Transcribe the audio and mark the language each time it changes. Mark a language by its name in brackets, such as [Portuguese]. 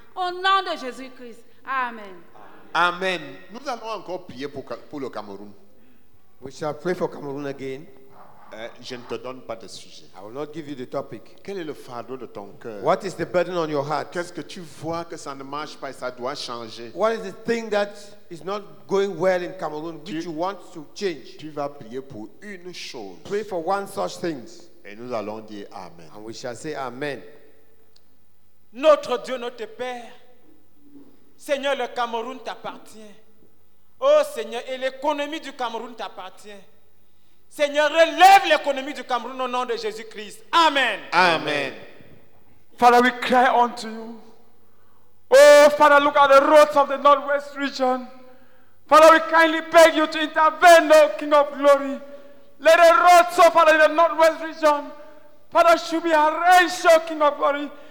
[French] Au nom de Jésus-Christ. Amen. Amen. Nous allons encore prier pour le Cameroun. [English] We shall pray for Cameroon again. [French] Je ne te donne pas de sujet. [English] I will not give you the topic. [French] Quel est le fardeau de ton cœur? [English] What is the burden on your heart? [French] Qu'est-ce que tu vois que ça ne marche pas et ça doit changer? [English] What is the thing that is not going well in Cameroon which you want to change? [French] Tu vas prier pour une chose. [English] Pray for one such thing. [French] Et nous allons dire amen. [English] And we shall say amen. [French] Notre Dieu, notre Père, Seigneur, le Cameroun t'appartient. Oh Seigneur, et l'économie du Cameroun t'appartient. Seigneur, relève l'économie du Cameroun au nom de Jésus-Christ. Amen. Amen. [English] Father, we cry unto you. Oh, Father, look at the roads of the Northwest region. Father, we kindly beg you to intervene, O King of Glory. Let the roads, O Father, in the Northwest region, Father, should be arranged, O King of Glory.